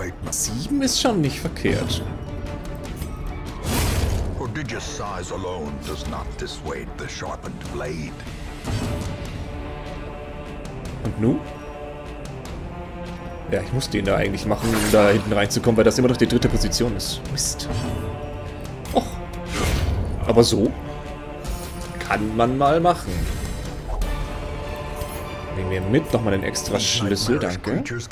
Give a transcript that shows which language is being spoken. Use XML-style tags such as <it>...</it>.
<de>7 ist schon nicht verkehrt.</de> <en>Prodigious size alone does not dissuade the sharpened blade.</en> <de>Und nun? Ja, ich muss den da eigentlich machen, um da hinten reinzukommen, weil das immer noch die dritte Position ist. Mist. Och. Aber so kann man mal machen. Nehmen wir mit nochmal den extra Schlüssel, danke.</de>